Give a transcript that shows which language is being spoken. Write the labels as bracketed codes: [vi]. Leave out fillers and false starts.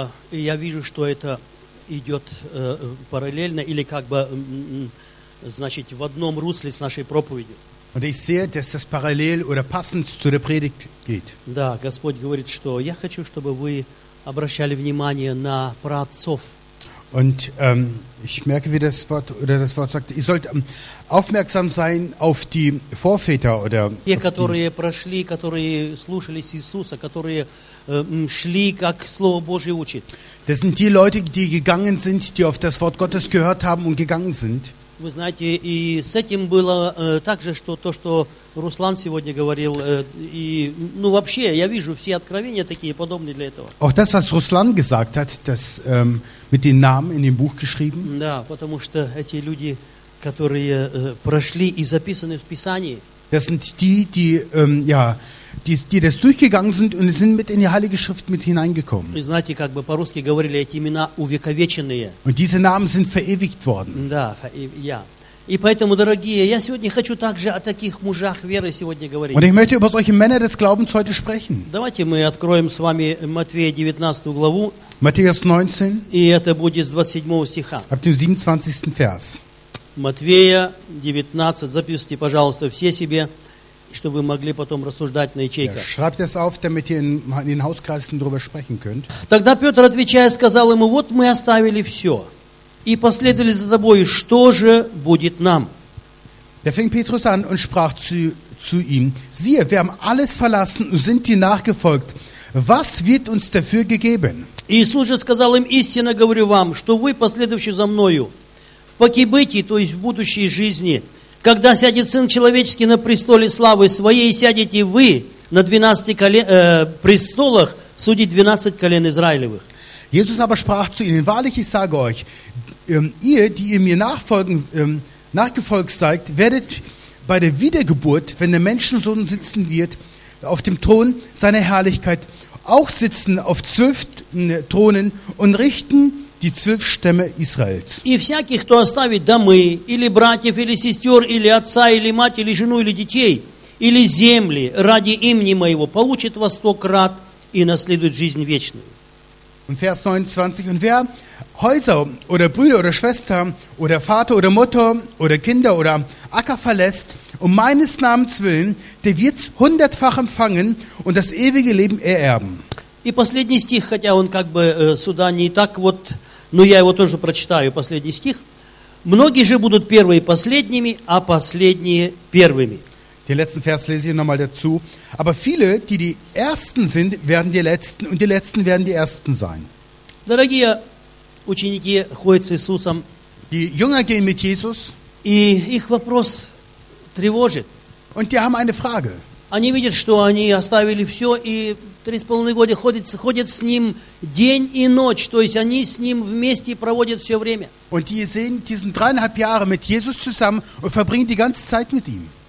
[ru] И я вижу, что это идет параллельно или как бы, значит, в одном русле с нашей проповедью. [de] Und ich sehe, dass das parallel oder passend zu der Predigt geht. [ru] Да, Господь говорит, что я хочу, чтобы вы обращали внимание на праотцов. [de] Und ich merke, wie das Wort oder das Wort sagt, ihr sollt aufmerksam sein auf die Vorväter oder [ru] те, которые прошли, которые слушались Иисуса, которые шли, как Слово Божие учит. [de] Das sind die Leute, die gegangen sind, die auf das Wort Gottes gehört haben und gegangen sind. [ru] Вы знаете, и с этим было также, что то, что Руслан сегодня говорил, и ну вообще, я вижу все откровения такие подобные для этого. [de] Auch das, was Руслан gesagt hat, das mit den Namen in dem Buch geschrieben. [ru] Да, потому что эти люди, которые прошли и записаны в Писании. [de] Das sind die, die ja, die das durchgegangen sind und sind mit in die Heilige Schrift mit hineingekommen. [ru] И знаете, как бы по-русски говорили, эти имена увековеченные. [de] Und diese Namen sind verewigt worden. [ru] Да, ja. И поэтому, дорогие, я сегодня хочу также о таких мужах веры сегодня говорить. [de] Und ich möchte über solche Männer des Glaubens heute sprechen. [ru] Давайте мы откроем с вами Матфея 19 главу. [de] Matthäus 19. [ru] И это будет с 27 стиха. [de] Ab dem 27. Vers. [ru] Матфея 19. Записывайте, пожалуйста, все себе, чтобы вы могли потом рассуждать на ячейках. [de] Schreibt das auf, damit ihr in den Hauskreisen darüber sprechen könnt. [ru] Тогда Петр, отвечая, сказал ему: «Вот мы оставили все и последовали за тобой. Что же будет нам?» [de] Da fing Petrus an und sprach zu ihm: «Siehe, wir haben alles verlassen und sind dir nachgefolgt. Was wird uns dafür gegeben?» [ru] Иисус же сказал им: «Истинно говорю вам, что вы, последовавшие за мною, покибытии, то есть в будущей жизни, когда сядет Сын Человеческий на престоле славы Своей, сядете вы на 12 престолах судить 12 колен Израилевых». [de] Jesus aber sprach zu ihnen: «Wahrlich, ich sage euch, ihr, die ihr mir nachgefolgt seid, werdet bei der Wiedergeburt, wenn der Menschensohn sitzen wird, auf dem Thron seiner Herrlichkeit, auch sitzen auf 12 Thronen und richten die 12 Stämme Israels. [ru] И всякий, кто оставит домы, или братьев, или сестер, или отца, или мать, или жену, или детей, или земли ради имени моего, получит во 100 крат и наследует жизнь вечную. [de] Und Vers 29. Und wer Häuser oder Brüder oder Schwestern oder Vater oder Mutter oder Kinder oder Acker verlässt, um meines Namens willen, der wird's 100-fach empfangen und das ewige Leben ererben. [ru] И последний стих, хотя он как бы сюда не так вот, но я его тоже прочитаю, последний стих. «Многие же будут первые последними, а последние первыми». [de] Den letzten Vers lese ich nochmal dazu. «Aber viele, die die Ersten sind, werden die Letzten, und die Letzten werden die Ersten sein». [ru] Дорогие ученики ходят с Иисусом. [de] Die Jünger gehen mit Jesus. [ru] И их вопрос тревожит. [de] Und die haben eine Frage. [ru] Они видят, что они оставили все и 3,5 года ходят с ним день и ночь, то есть они с ним вместе проводят все время. [de] Und die sehen diesen 3,5 Jahre mit Jesus zusammen und verbringen die ganze Zeit mit ihm.